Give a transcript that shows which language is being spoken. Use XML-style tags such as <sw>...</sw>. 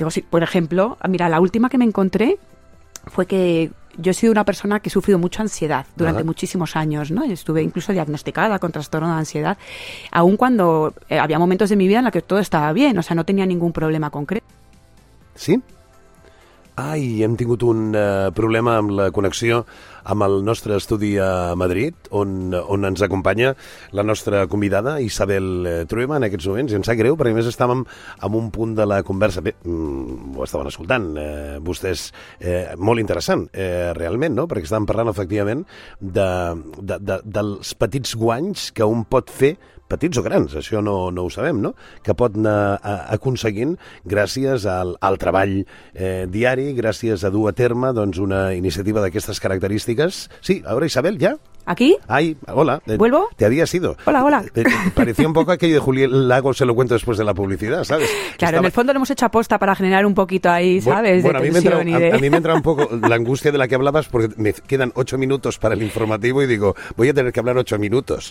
<es>Por ejemplo, mira, la última que me encontré fue que yo he sido una persona que he sufrido mucha ansiedad durante muchísimos años, ¿no? Estuve incluso diagnosticada con trastorno de ansiedad, aun cuando había momentos de mi vida en los que todo estaba bien, o sea, no tenía ningún problema concreto. ¿Sí?</es> <ca>Ai, hem tingut un problema amb la connexió amb el nostre estudi a Madrid, on ens acompanya la nostra convidada, Isabel Trueba, en aquests moments. I em sap greu, perquè a més estàvem en un punt de la conversa. Bé, ho estaven escoltant vostès. Molt interessant, realment, no? Perquè estàvem parlant, efectivament, dels petits guanys que un pot fer, petits o grans, això no ho sabem, no? Que pot anar aconseguint gràcies al treball diari, gràcies a dur a terme doncs, una iniciativa d'aquestes característiques. Sí, a veure, Isabel, ja?</ca> <es>¿Aquí? Ay, hola. ¿Vuelvo? Te habías ido. Hola, hola. Parecía un poco aquello de Julián Lago, se lo cuento después de la publicidad, ¿sabes? Claro, estaba... en el fondo lo hemos hecho aposta para generar un poquito ahí, ¿sabes? Bueno, a mí me entra un poco la angustia de la que hablabas porque me quedan 8 minutos para el informativo y digo, voy a tener que hablar 8 minutos.</es>